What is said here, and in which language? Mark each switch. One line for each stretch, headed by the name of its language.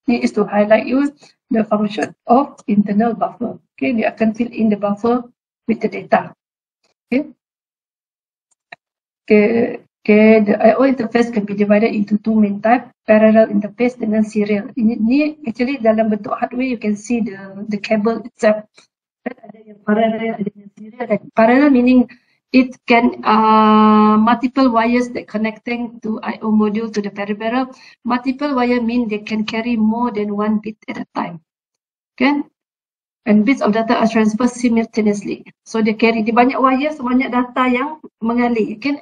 English: It is to highlight you the function of internal buffer. Okay,
Malay: dia akan
English: fill in the buffer with the data. Okay. Okay, the IO interface can be divided into two main types, parallel interface and then serial.
Malay: Ini actually dalam bentuk hardware,
English: you can see the cable itself. Then
Malay: ada yang parallel, ada yang serial.
English: Parallel meaning it can multiple wires that connecting to IO module to the peripheral. Multiple wire mean they can carry more than one bit at a time. Okay? And bits of data are transferred simultaneously. So they carry the
Malay: banyak wires, banyak data yang mengalir. Okay?